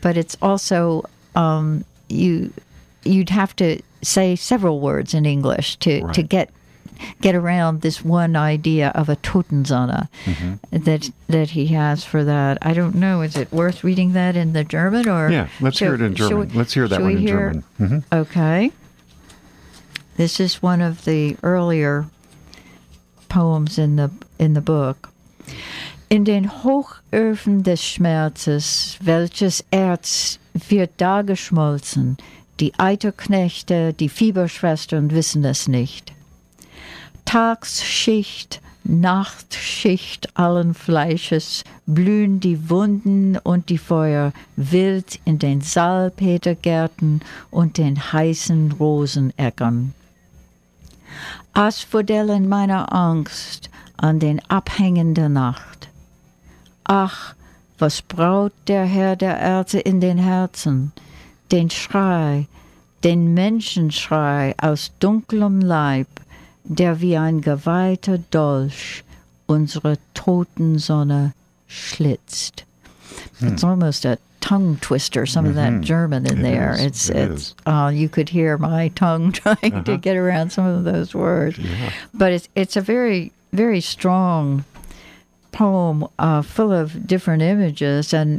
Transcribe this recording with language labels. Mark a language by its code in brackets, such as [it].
[en] But it's also you'd have to say several words in English to get around this one idea of a Totenzana that he has for that. I don't know. Is it worth reading that in the German? Let's hear that one in German. Mm-hmm. Okay. This is one of the earlier poems in the book. [de] In den Hochöfen des Schmerzes, welches Erz wird da geschmolzen, die Eiterknechte, die Fieberschwestern wissen es nicht. Tagsschicht, Nachtschicht allen Fleisches blühen die Wunden und die Feuer wild in den Salpetergärten und den heißen Roseneckern. Asphodel in meiner Angst an den Abhängen der Nacht. Ach, was braut der Herr der Erde in den Herzen, den Schrei, den Menschenschrei aus dunklem Leib, der wie ein geweihter Dolch unsere Totensonne schlitzt. Hmm. [en] It's almost a tongue twister, some of that German in there. It's you could hear my tongue trying to get around some of those words. Yeah. But it's a very, very strong poem full of different images.